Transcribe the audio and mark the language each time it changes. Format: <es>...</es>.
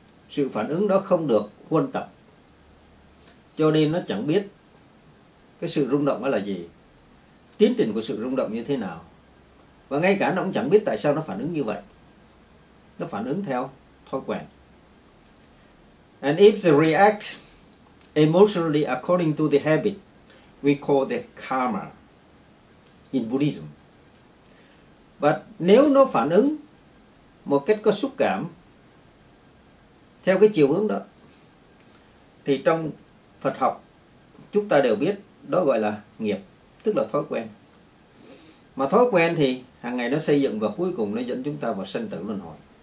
<vi>Sự phản ứng đó không được huân tập, cho nên nó chẳng biết cái sự rung động đó là gì, tiến trình của sự rung động như thế nào, và ngay cả nó cũng chẳng biết tại sao nó phản ứng như vậy. Nó phản ứng theo thói quen.</vi> <en>And if they react emotionally according to the habit, we call that karma in Buddhism.</en> <vi>Và nếu nó phản ứng một cách có xúc cảm theo cái chiều hướng đó, thì trong Phật học chúng ta đều biết đó gọi là nghiệp, tức là thói quen. Mà thói quen thì hàng ngày nó xây dựng và cuối cùng nó dẫn chúng ta vào sinh tử luân hồi.</vi>